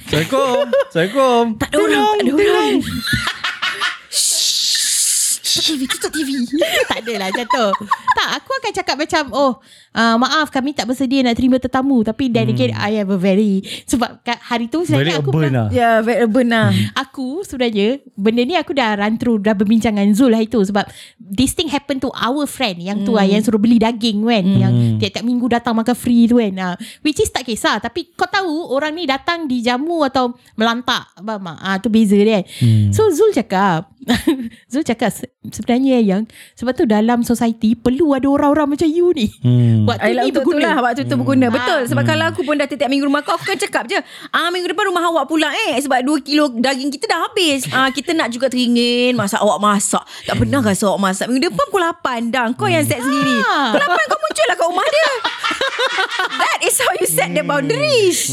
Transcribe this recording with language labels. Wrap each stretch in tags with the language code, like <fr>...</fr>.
<ms>Assalamualaikum. Tak ada orang, tak ada orang. TV. Tak adalah macam tu. Tak, aku akan cakap macam, oh, maaf, kami tak bersedia nak terima tetamu. Tapi</ms> <en>then again, I have a very,</en> <ms>sebab hari tu</ms> <en>very urban</en> <ms>aku pernah,</ms> <en>yeah, very urban lah.</en> <ms>Aku sebenarnya benda ni aku dah</ms> <en>run through,</en> <ms>dah berbincang dengan Zul lah itu. Sebab</ms> <en>this thing happen to our friend</en> <ms>yang tu lah, yang suruh beli daging kan. Yang tiap-tiap minggu datang makan free tu kan.</ms> <en>Which is</en> <ms>tak kisah. Tapi kau tahu orang ni datang dijamu atau melantak, faham tak? Tu beza dia kan. So Zul cakap, Zul cakap sebenarnya yang, sebab tu dalam society perlu ada orang-orang macam you ni. Waktu ni berguna lah, waktu tu berguna. Betul. Sebab kalau aku pun dah tiap-tiap minggu rumah kau, aku kan cakap je, minggu depan rumah awak pula eh, sebab 2 kilo daging kita dah habis. Kita nak juga teringin masak, awak masak. Tak pernah rasa awak masak. Minggu depan pukul 8 dah, kau yang set sendiri. Pukul 8 kau muncul lah kat rumah dia.</ms> <en>That is how you set the boundaries.</en>